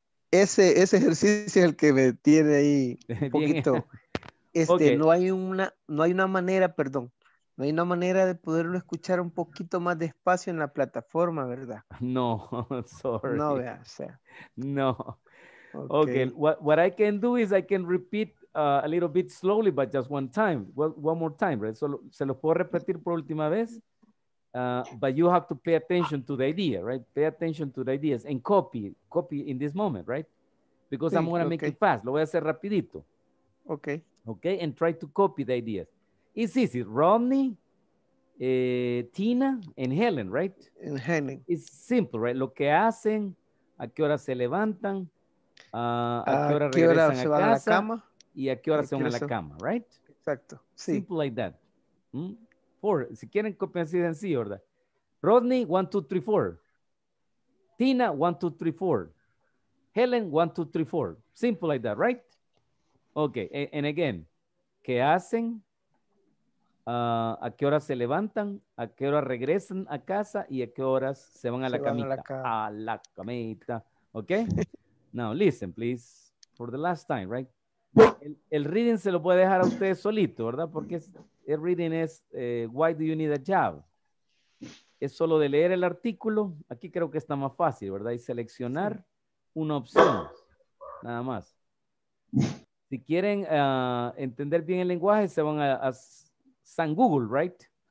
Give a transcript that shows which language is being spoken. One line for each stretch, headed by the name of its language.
Spanish: ese ejercicio es el que me tiene ahí un poquito. Okay. No hay una manera de poderlo escuchar un poquito más despacio en la plataforma, ¿verdad?
English: No, sorry.
Spanish: No, vea, o sea.
English: No. Okay. What I can do is I can repeat a little bit slowly, but just one time. One more time, right?
Spanish: So, se lo puedo repetir por última vez.
English: But you have to pay attention to the idea, right? Pay attention to the ideas and copy in this moment, right? Because I'm going to make it fast.
Spanish: Lo voy a hacer rapidito.
English: Okay. Okay, and try to copy the ideas. It's easy. Rodney, Tina, and Helen, right? And Helen. It's simple, right?
Spanish: Lo que hacen, a qué hora se levantan, a qué hora regresan a casa, y a qué hora se van a la cama, right? Exacto. Sí.
English: Simple like that. Mm? Four.
Spanish: Si quieren copiar así, en sí, ¿verdad?
English: Rodney, 1, 2, 3, 4. Tina, 1, 2, 3, 4. Helen, 1, 2, 3, 4. Simple like that, right? Okay, and again,
Spanish: ¿qué hacen? ¿A qué hora se levantan? ¿A qué hora regresan a casa? ¿Y a qué horas se van a la camita? A la camita.
English: Okay? Now, listen, please, for the last time, right?
Spanish: El reading se lo puede dejar a ustedes solito, ¿verdad? Porque el reading es,
English: why do you need a job?
Spanish: Es solo de leer el artículo. Aquí creo que está más fácil, ¿verdad? Y seleccionar una opción, nada más. Si quieren entender bien el lenguaje, se van a San Google, right?